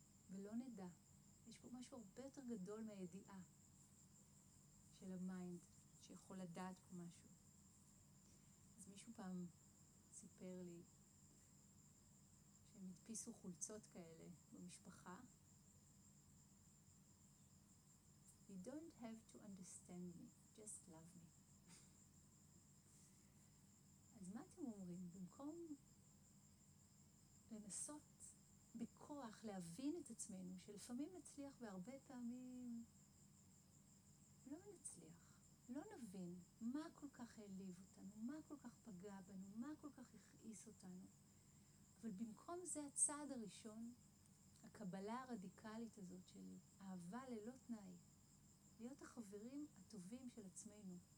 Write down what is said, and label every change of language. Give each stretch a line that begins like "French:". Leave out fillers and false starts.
Hebrew: ולא נדע. יש פה משהו הרבה יותר גדול מהידיעה של המיינד, שיכול לדעת פה משהו. אז מישהו פעם סיפר לי, הם הדפיסו חולצות כאלה במשפחה.
English: You don't have to understand me, just love me.
Hebrew: אז מה אתם אומרים? במקום לנסות בכוח להבין את עצמנו, שלפעמים נצליח והרבה פעמים לא נצליח, לא נבין מה כל כך העליב אותנו, מה כל כך פגע בנו, מה כל כך הכעיס אותנו, אבל במקום זה הצעד הראשון, הקבלה הרדיקלית הזאת של אהבה ללא תנאי, להיות החברים הטובים של עצמנו.